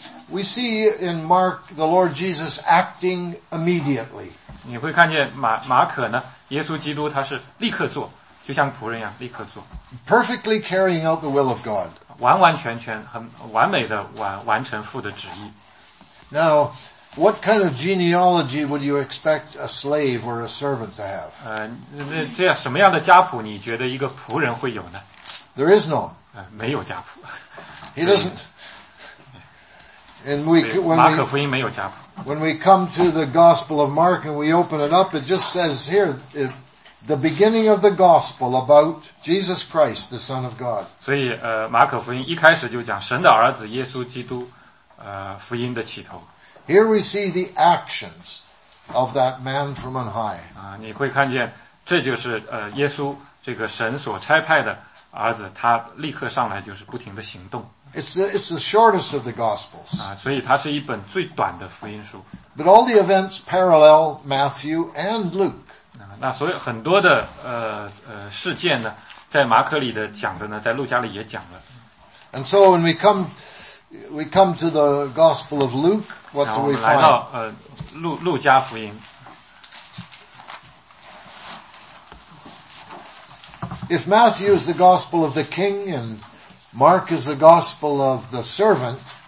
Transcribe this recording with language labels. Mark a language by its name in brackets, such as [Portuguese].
[English] We see in Mark the Lord Jesus acting immediately. [Chinese] 你会看见马可呢，耶稣基督他是立刻做，就像仆人一样立刻做。 [English] Perfectly carrying out the will of God. [Chinese] 完完全全很完美的完成父的旨意。 [English] Now, what kind of genealogy would you expect a slave or a servant to have? [Chinese] 这样什么样的家谱你觉得一个仆人会有呢？ [English] There is none. [Chinese] 没有家谱。 [English] He doesn't. And when we come to the Gospel of Mark and we open it up, it just says here, the beginning of the Gospel about Jesus Christ, the Son of God. [Chinese] 所以马可福音一开始就讲神的儿子耶稣基督福音的起头。 [English] Here we see the actions of that man from on high. [Chinese] 你会看见这就是耶稣这个神所差派的儿子，他立刻上来就是不停的行动。 [English] It's the shortest of the Gospels. [Chinese] 所以它是一本最短的福音书。 [English] But all the events parallel Matthew and Luke. [Chinese] 那所以很多的事件呢，在马可里的讲的呢，在路加里也讲了。 [English] And so when we come to the Gospel of Luke, what do we find? [Chinese] 我们来到路加福音。 [English] If Matthew is the Gospel of the King and Mark is the gospel of the servant.